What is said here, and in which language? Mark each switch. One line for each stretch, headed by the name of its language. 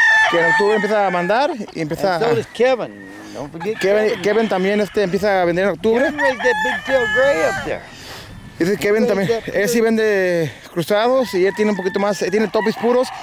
Spanish: Que en octubre empieza a mandar y empieza.
English: And so does Kevin. Don't forget Kevin.
Spanish: Kevin también empieza a vender en octubre.
English: Kevin raised that big tail gray up there.
Spanish: Dice Kevin también. Él sí vende cruzados y él tiene un poquito más. Él tiene topis puros.